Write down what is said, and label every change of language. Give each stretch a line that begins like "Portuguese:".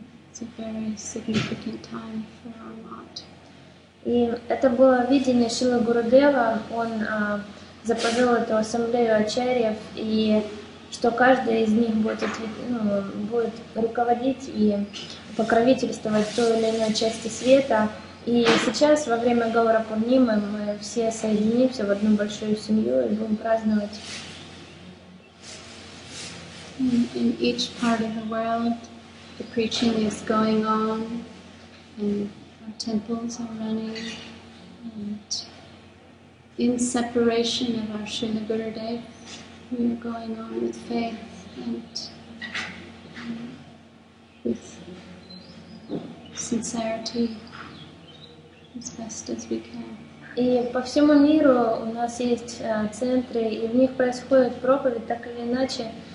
English: It's a very significant time for our lot.
Russian: И это было видение Шрилы Гурудева. Он заповел эту ассамблею ачарьев, и что каждый из них будет, будет руководить и покровительствовать той или иной части света. И сейчас, во время Гаура Пурнимы, мы все соединимся в одну большую семью и будем праздновать.
English: In each part of the world, the preaching is going on, and our temples are running, and in separation of our Srila Gurudev, we are going on with faith and with sincerity as best as we can.
Russian: И по всему миру у нас есть центры, и в них происходит проповедь так или иначе.